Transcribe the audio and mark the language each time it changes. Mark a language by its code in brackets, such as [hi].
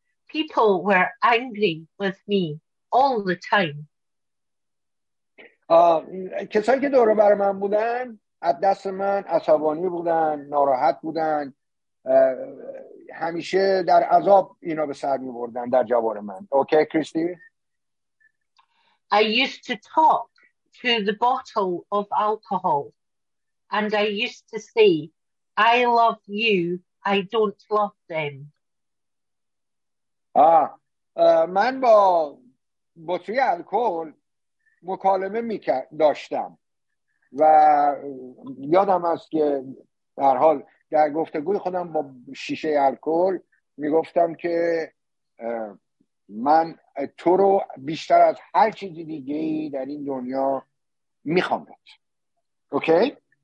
[en] People were angry with me all the time. [fa] کسایی که دور بر من بودن از دست من عصبانی بودن ناراحت بودن همیشه در عذاب اینا به سر می بردن در جوار من اوکی okay, کریستی [en] I used to talk to the bottle of alcohol and I used to say I love you I don't love them [fa] من با بطری الکل مکالمه می داشتم و یادم است که به هر حال در گفتگوی خودم با شیشه الکل می گفتم که من تو رو بیشتر از هر چیز دیگه در این دنیا می خوام بود اوکی؟